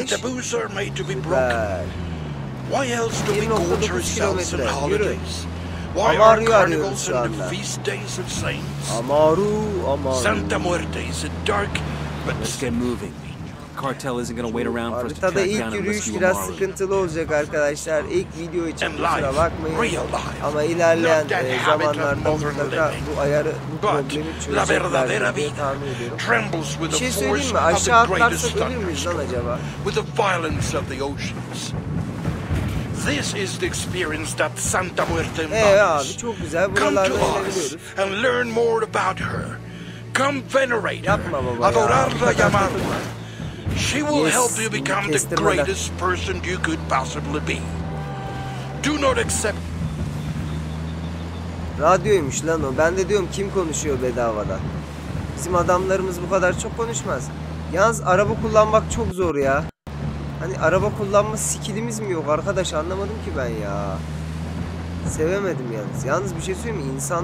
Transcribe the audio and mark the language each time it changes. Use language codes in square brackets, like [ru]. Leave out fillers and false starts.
[en] And taboos are made to be broken. Why else do we gorge ourselves on holidays? Why are carnivals and the feast days of saints? Amaru. Santa Muerte is a dark, but let's get moving. Cartel isn't gonna wait around for us to track down and rescue Amaru. [tr] Sıkıntılı olacak arkadaşlar. İlk video için kusura bakmayın. Ama ilerleyen zamanlarda mutlaka bu ayarı, bu problemi çözecekler diye tahmin ediyorum. Bir şey söyleyeyim mi? Aşağı atlarsak ölür müyüz lan acaba? [en] This is the experience that Santa Muerte embodies. Come to us and learn more about her. Come venerate her. [es] Adorar la llamarla. [en] She will help you become the greatest person you could possibly be. Do not accept. [tr] Radyoymuş lan o. Ben de diyorum, kim konuşuyor bedavada? Bizim adamlarımız bu kadar çok konuşmaz. Yalnız araba kullanmak çok zor ya. Hani araba kullanma skillimiz mi yok arkadaş, anlamadım ki ben ya. Sevemedim yalnız. Yalnız bir şey söyleyeyim mi?